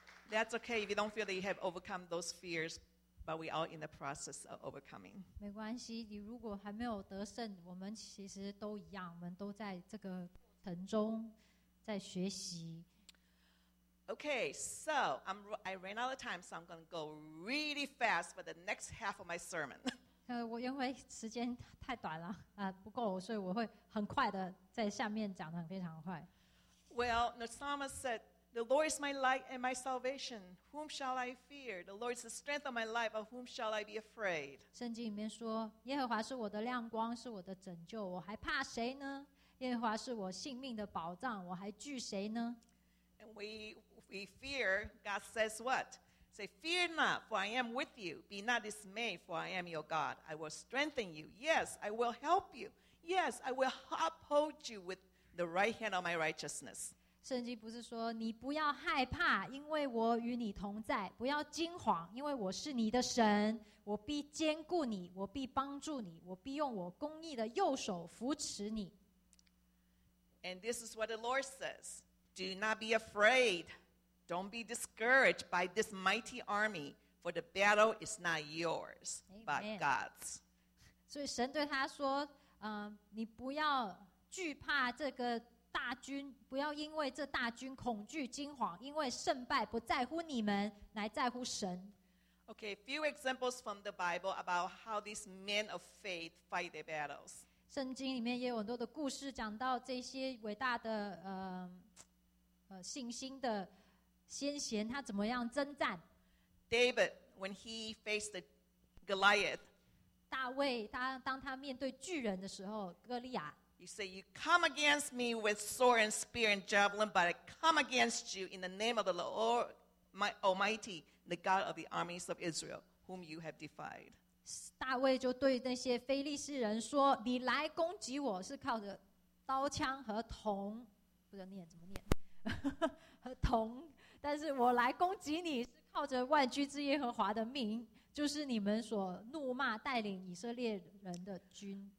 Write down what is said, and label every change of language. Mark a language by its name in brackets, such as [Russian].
[English] That's okay if you don't feel that you have overcome those fears, but we are in the process of overcoming. [Chinese] 没关系，你如果还没有得胜，我们其实都一样，我们都在这个过程中在学习。 [English] Okay, so I ran out of time, so I'm going to go really fast for the next half of my sermon. [Chinese] 我因为时间太短了，不够，所以我会很快的在下面讲得非常快。 [English] Well, Nosama said, The Lord is my light and my salvation. Whom shall I fear? The Lord is the strength of my life. Of whom shall I be afraid? [Chinese] 圣经里面说，耶和华是我的亮光，是我的拯救，我还怕谁呢？耶和华是我性命的保障，我还惧谁呢？ [English] And we fear, God says what? Say, fear not, for I am with you. Be not dismayed, for I am your God. I will strengthen you. Yes, I will help you. Yes, I will uphold you with the right hand of my righteousness. [Chinese] 圣经不是说你不要害怕，因为我与你同在，不要惊慌，因为我是你的神，我必坚固你，我必帮助你，我必用我公义的右手扶持你。 [English] And this is what the Lord says. Do not be afraid. Don't be discouraged by this mighty army, for the battle is not yours, but God's. [Chinese] 所以神对他说，你不要惧怕这个大军，不要因为这大军恐惧惊慌，因为胜败不在乎你们，乃在乎神。 [English] Okay, a few examples from the Bible about how these men of faith fight their battles. [Chinese] 圣经里面也有很多的故事讲到这些伟大的信心的先贤，他怎么样征战。 [English] David, when he faced the Goliath, [Chinese] 大卫他当他面对巨人的时候，哥利亚。 [English] You say, you come against me with sword and spear and javelin, but I come against you in the name of the Lord, my Almighty, the God of the armies of Israel, whom you have defied. [Chinese] 大卫就对那些非利士人说，你来攻击我是靠着刀枪和铜，不知道念怎么念，和铜，但是我来攻击你是靠着万军之耶和华的名。就是你们所怒骂带领以色列人的军。